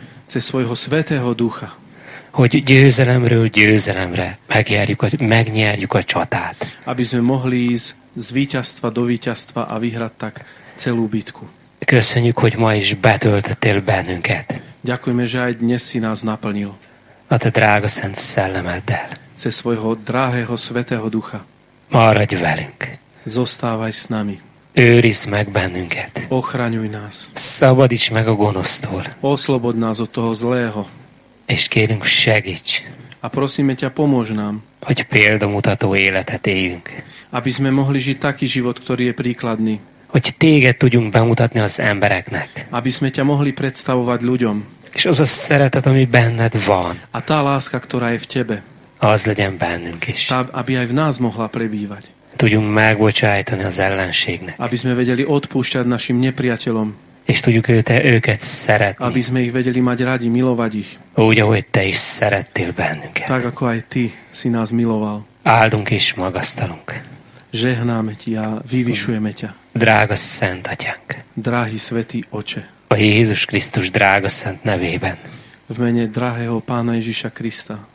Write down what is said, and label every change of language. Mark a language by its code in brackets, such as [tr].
[sk] Cez svojho svätého ducha. [hu] Hogy győzelemről győzelemre megnyerjük a csatát. [sk] Aby sme mohli ísť z víťazstva do víťazstva a vyhrať tak celú bitku. [hu] Köszönjük, hogy ma is betöltöttél bennünket. [sk] Ďakujeme, že aj dnes si nás naplnil. [hu] A te drága szent szellemeddel. [sk] Cez svojho drahého svätého ducha. [hu] Maradj velünk. [sk] Zostávaj s nami. [hu] Őrizd meg bennünket. [sk] Ochraňuj nás. [hu] Szabadíts meg a gonosztól. [sk] Oslobod nás od toho zlého. [hu] És kérünk, segíts. [sk] A prosíme ťa, pomôž nám. [hu] Hogy példamutató életet éljünk. [sk] Aby sme mohli žiť taký život, ktorý je príkladný. [hu] Hogy téged tudjunk bemutatni az embereknek. [sk] Aby sme ťa mohli predstavovať ľuďom. [hu] És az a szeretet, ami benned van. [sk] A tá láska, ktorá je v tebe. [hu] Az legyen bennünk is. [sk] Tá, aby aj v nás mohla prebývať. [hu] Tudjunk megbocsájtani az ellenségnek. [sk] Aby sme vedeli odpúšťať našim nepriateľom. [hu] És tudjuk őket szeretni. [sk] Aby sme ich vedeli mať rádi, milovať ich. [hu] Úgy, ahogy te is szerettél bennünket. [sk] Tak, ako aj ty si nás miloval. [hu] Áldunk és magasztalunk. [sk] Žehnáme ti a vyvyšujeme ťa. [hu] Drága szent atyánk. [sk] Dráhy svätý oče. [hu] A Jézus Krisztus drága szent nevében. [sk] V mene drahého Pána Ježiša Krista.